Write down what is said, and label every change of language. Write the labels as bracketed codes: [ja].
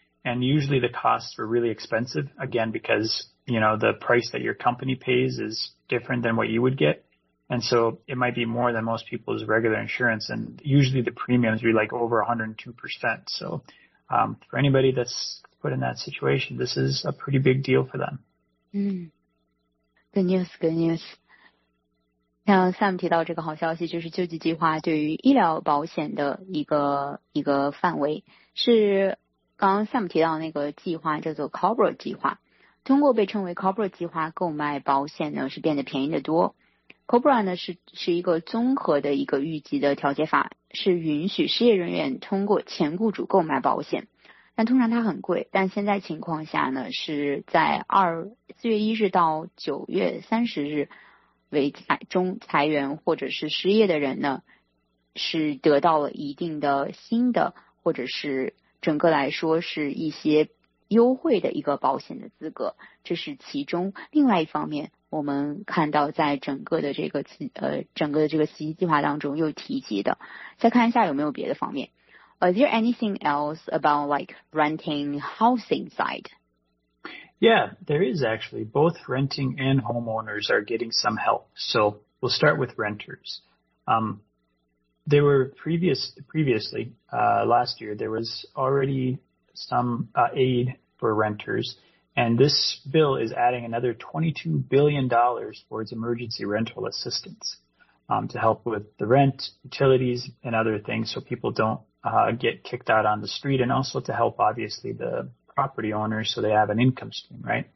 [en] And usually the costs were really expensive, again, because, you know, the price that your company pays is different than what you would get. And so it might be more than most people's regular insurance. And usually the premiums be like over 102%. So for anybody that's put in that situation, this is a pretty big deal for them. Good news, good news. [zh] 像 Sam 提到这个好消息，就是救济计划对于医疗保险的一个范围是。刚刚 Sam 提到那个计划叫做 COBRA 计划，通过被称为 COBRA 计划购买保险呢是变得便宜的多。 COBRA 呢是一个综合的一个预计的调节法，是允许失业人员通过前雇主购买保险，但通常它很贵。但现在情况下呢是在4月1日到9月30日为中裁员或者是失业的人呢是得到了一定的新的或者是整个来说是一些优惠的一个保险的资格，这是其中另外一方面。我们看到在整个的这个整个的这个奇迹计划当中又提及的，再看一下有没有别的方面。 [en] Is there anything else about like renting housing side? Yeah, there is actually. Both renting and homeowners are getting some help. So we'll start with renters. There were previously, last year, there was already some aid for renters, and this bill is adding another $22 billion towards emergency rental assistance to help with the rent, utilities, and other things so people don't get kicked out on the street, and also to help, obviously, the property owners so they have an income stream, right?